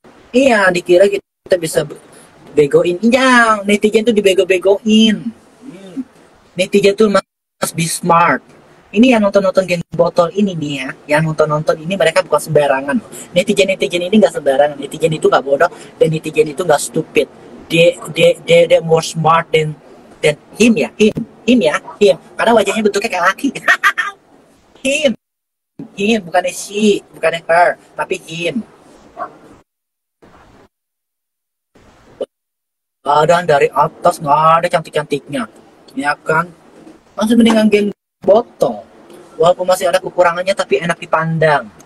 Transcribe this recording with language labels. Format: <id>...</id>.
<id>Iya, dikira kita bisa begoin. Iya, netizen tuh dibego-begoin. Netizen tuh</id> <en>must be smart.</en> <id>Ini yang nonton-nonton geng botol ini nih ya, yang nonton-nonton ini mereka bukan sembarangan. Netizen-netizen ini nggak sembarangan. Netizen itu nggak bodoh dan netizen itu nggak stupid.</id> <en>They more smart than him ya, him.</en> <id>Karena wajahnya bentuknya kayak laki. him, bukannya she, bukannya her, tapi him. Badan dari atas nggak ada cantik-cantiknya, ya kan? Langsung mendingan geng botol. Walaupun masih ada kekurangannya, tapi enak dipandang.</id>